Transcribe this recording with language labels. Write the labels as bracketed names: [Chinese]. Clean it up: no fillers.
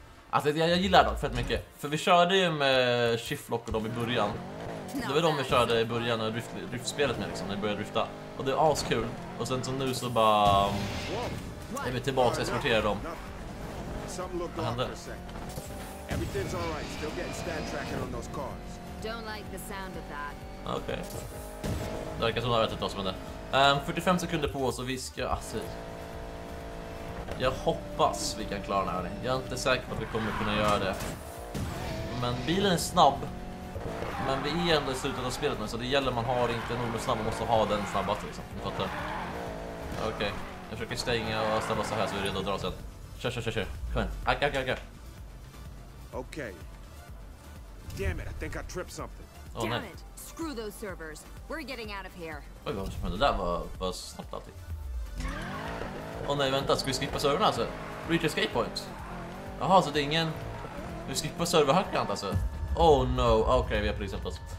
[Swedish] Alltså jag gillar dem fett mycket. För vi körde ju med shiftlock och dem i början. Det var de vi körde i början av driftspelet med liksom, när vi började drifta. Och det är askul. Och sen så nu så bara... Är vi tillbaka och exporterar dem. Vad hände? [English] Everything's all right. Still getting stand tracking on those cars. Don't like the sound of that. Okej. Okay. [Swedish] Det verkar som att jag vet inte vad som händer. 45 sekunder på oss och vi ska... Alltså, jag hoppas vi kan klara den här. Jag är inte säker på att vi kommer kunna göra det. Men bilen är snabb. Men vi är ändå i slutet av spelet nu, så det gäller man har inte nog snabb. Man måste ha den snabbast liksom. Ni fattar. Okej. [English] Okay. [Swedish] Jag försöker stänga och ställa så här så vi är redo att dra sen. Kör. Kom igen. Okej. [English] Okay. Damn it, I think I tripped something. Oh, damn [Swedish] nej. [English] It. Screw those servers. We're getting out of here. [Swedish] Oj, vad som hände? Det där var snabbt allting. Åh nej, vänta. Ska vi skippa serverna alltså? [English] Reach escape point. [Swedish] Jaha, så det är ingen... Vi skippar serverhackant alltså. [English] Oh no. [Swedish] Okej, [English] okay, [Swedish] vi har precis hjälpt oss.